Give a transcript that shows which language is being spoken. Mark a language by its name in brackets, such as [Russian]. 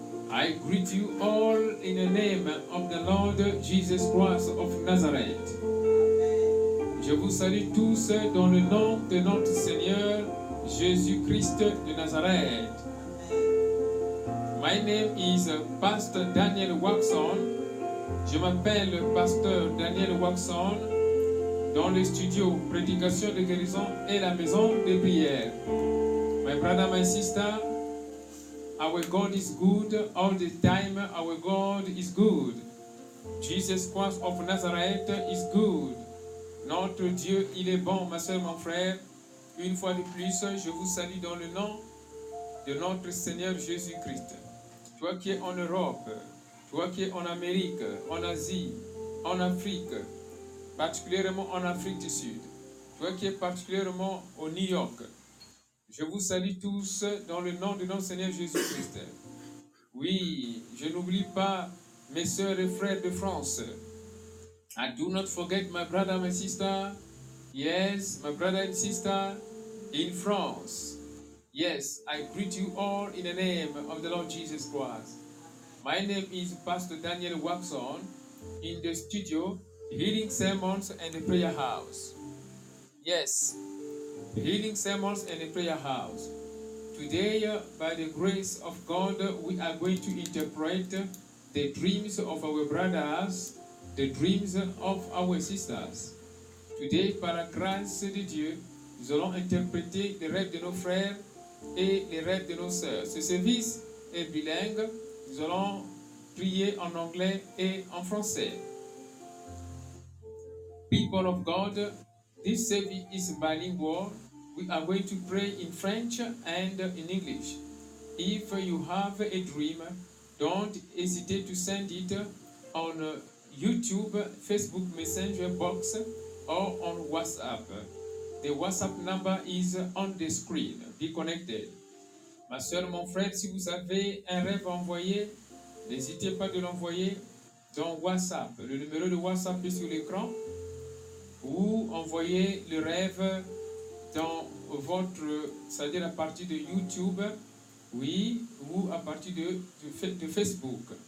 [English] I greet you all in the name of the Lord Jesus Christ of Nazareth. Amen. [French] Je vous salue tous dans le nom de notre Seigneur Jésus-Christ de Nazareth. [English] Amen. My name is Pastor Daniel Waxon. [French] Je m'appelle Pasteur Daniel Waxon dans le studio Prédication de Guérison et la Maison de Prière. [English] My brother, my sister, our God is good all the time. Our God is good. Jesus Christ of Nazareth is good. [French] Notre Dieu, il est bon, ma soeur, mon frère. Une fois de plus, je vous salue dans le nom de notre Seigneur Jésus-Christ. Toi qui es en Europe, toi qui es en Amérique, en Asie, en Afrique, particulièrement en Afrique du Sud, toi qui es particulièrement au New York, je vous salue tous dans le nom de notre Seigneur Jésus-Christ. Oui, je n'oublie pas mes sœurs et frères de France. [English] I do not forget my brother and my sister. Yes, my brother and sister in France. Yes, I greet you all in the name of the Lord Jesus Christ. My name is Pastor Daniel Waxon in the studio, Healing Sermons and the Prayer House. Yes. Healing Sermons and the Prayer House. Today, by the grace of God, we are going to interpret the dreams of our brothers, the dreams of our sisters. [French] Today, par la grâce de Dieu, nous allons interpréter les rêves de nos frères et les rêves de nos sœurs. Ce service est bilingue. Nous allons prier en anglais et en français. [English] People of God, this service is bilingual. We are going to pray in French and in English. If you have a dream, don't hesitate to send it on YouTube, Facebook Messenger box, or on WhatsApp. The WhatsApp number is on the screen. Be connected. [French] Ma soeur, mon frère, si vous avez un rêve à envoyer, n'hésitez pas de l'envoyer dans WhatsApp. Le numéro de WhatsApp est sur l'écran. Ou envoyez le rêve dans votre, c'est-à-dire à partir de YouTube, oui, ou à partir de Facebook.